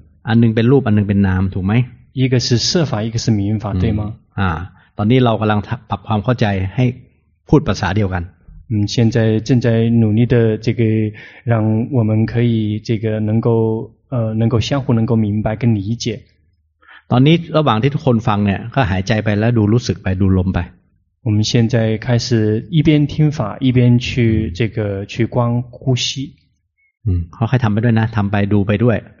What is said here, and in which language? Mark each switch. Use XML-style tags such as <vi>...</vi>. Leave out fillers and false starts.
<th>อันหนึ่งเป็นรูปอันหนึ่งเป็นนามถูกไหม</th> <zh>一个是色法一个是名法对吗</zh> <th>ตอนนี้เรากำลังปรับความเข้าใจให้พูดภาษาเดียวกัน</th> <zh>现在正在努力的这个让我们可以这个能够能够相互能够明白跟理解</zh> <th>ตอนนี้ระหว่างที่ทุกคนฟังเนี่ยก็หายใจไปแล้วดูรู้สึกไปดูลมไป</th> <zh>我们现在开始一边听法一边去这个去观呼吸</zh> <th>เขาให้ทำไปด้วยนะทำไปดูไปด้วย</th>